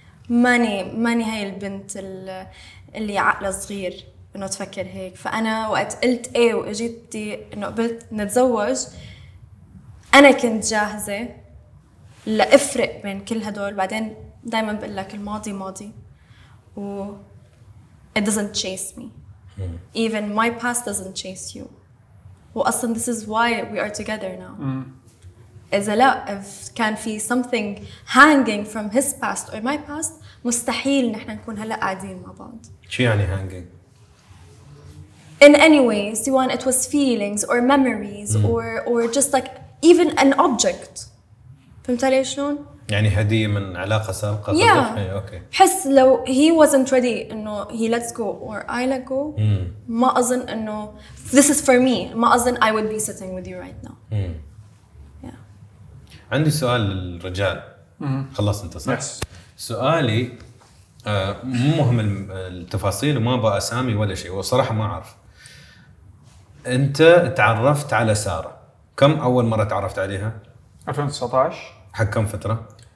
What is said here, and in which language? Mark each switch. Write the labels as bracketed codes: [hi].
[ar] ماني هاي البنت اللي عقلها صغير انه تفكر هيك. فانا وقت قلت ايه واجيتي انه قبلت نتزوج، انا كنت جاهزة لأفرق بين كل هدول. بعدين دايما بقول لك الماضي ماضي و [en] it doesn't chase me. Even my past doesn't chase you. [ar] وأصلاً [en] this is why we are together now. [ar] إذا لا، [en] if [ar] كان في [en] something hanging from his past or my past، [ar] مستحيل نحن نكون هلأ قاعدين مع بعض. شو يعني hanging؟ [en] In any way، [ar] سواء [en] it was feelings or memories or just like even an object. [ar] فهمت علي شلون؟ يعني هدية من علاقة سابقة. [en] Yeah. [ar] أوكي. حس لو [en] he wasn't ready [ar] إنه [en] he lets go or I let go. [ar] ما أظن إنه [en] this is for me. [ar] ما أظن [en] I would be sitting with you right now. Yeah. [ar] عندي سؤال للرجال. خلاص أنت صح. [en] Yes. [ar] سؤالي مهم التفاصيل وما بقى أسامي ولا شيء. وصراحة ما أعرف. أنت تعرفت على سارة. كم أول مرة تعرفت عليها؟ 2019. حق كم فترة؟